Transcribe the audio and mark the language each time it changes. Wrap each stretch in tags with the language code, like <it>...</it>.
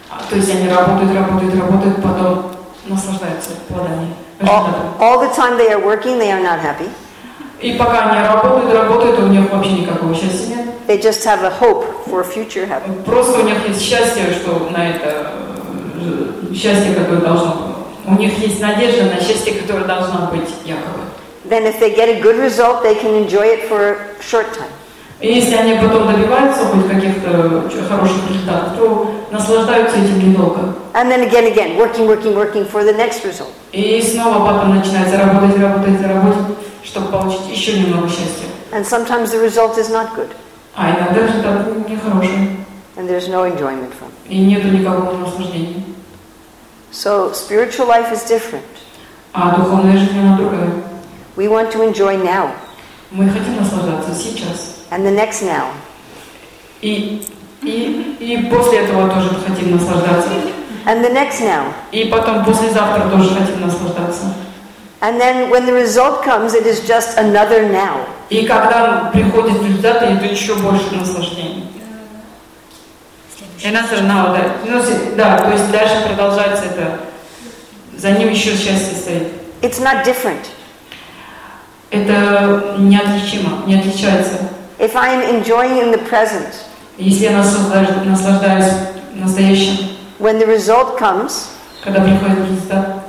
<ru>То есть они работают, потом наслаждаются плодами.</ru> <en>All the time they are working, they are not happy.</en> <ru>И пока они работают, у них вообще никакого счастья нет.</ru> <en>They just have a hope for future happiness.</en> <ru>Просто у них есть счастье, что на это счастье, которое должно быть. У них есть надежда на счастье, которое должно быть якобы.</ru> <en>Then if they get a good result, they can enjoy it for a short time.</en> <ru>И если они потом добиваются хоть каких-то хороших результатов, то наслаждаются этим недолго.</ru> <en>And then again, working for the next result.</en> <ru>И снова потом начинают заработать, чтобы получить еще немного счастья.</ru> <en>And sometimes the result is not good.</en> <ru>А иногда результат нехороший.</ru> <en>And there's no enjoyment from it.</en> <ru>И нету никакого наслаждения.</ru> <en>So spiritual life is different.</en> <ru>А духовная жизнь она другая.</ru> <en>We want to enjoy now.</en> <ru>Мы хотим наслаждаться сейчас.</ru> <en>And the next now.</en> <ru>И после этого тоже хотим наслаждаться.</ru> <en>And the next now.</en> <ru>И потом послезавтра тоже хотим наслаждаться.</ru> <en>And then when the result comes, it is just another now.</en> <ru>И когда приходит результат, идет еще больше наслаждения.</ru> <en>Another now,</en> <ru>да. Ну, да, то есть дальше продолжается это. За ним еще счастье стоит.</ru> <en>It's not different.</en> <ru>Это неотличимо, не отличается.</ru> <en>If I am enjoying in the present.</en> <ru>Если я наслаждаюсь настоящим.</ru> <en>When the result comes.</en> <ru>Когда приходит результат.</ru>